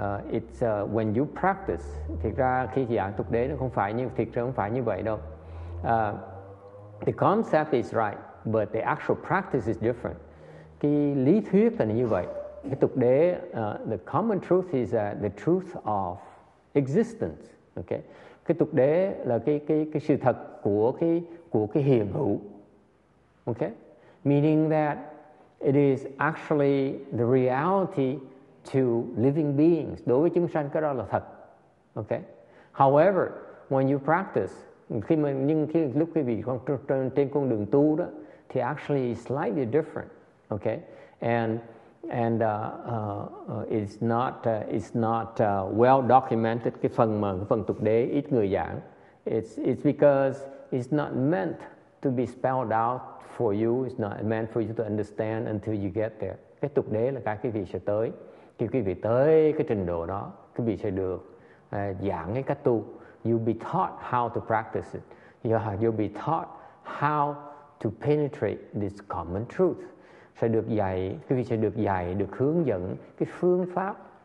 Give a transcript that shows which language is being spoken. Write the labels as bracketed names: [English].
[English] It's when you practice, [Vietnamese] thực ra khi giảng tục đế nó không phải như thực ra không phải như vậy đâu. [English] The concept is right, but the actual practice is different. [Vietnamese] Cái lý thuyết là như vậy. Cái tục đế, [English] the common truth is that the truth of existence. Okay. [Vietnamese] Cái tục đế là cái sự thật của cái hiện hữu. [English] Okay. Meaning that it is actually the reality to living beings. [Vietnamese] Đối với chúng sanh cái đó là thật. Okay. [English] However, when you practice, [Vietnamese] lúc quý vị trên con đường tu đó, thì [English] actually slightly different. [Vietnamese] Okay. [English] And it's not well documented, [Vietnamese] cái phần tục đế ít người giảng. [English] It's because it's not meant to be spelled out for you. It's not meant for you to understand until you get there. [Vietnamese] Cái tục đế là cái quý vị sẽ tới. Khi quý vị tới cái trình độ đó, quý vị sẽ được giảng cái cách tu. [English] You'll be taught how to practice it. You'll be taught how to penetrate this common truth. [Vietnamese] Sẽ được dạy, quý vị sẽ được dạy, được hướng dẫn cái phương pháp.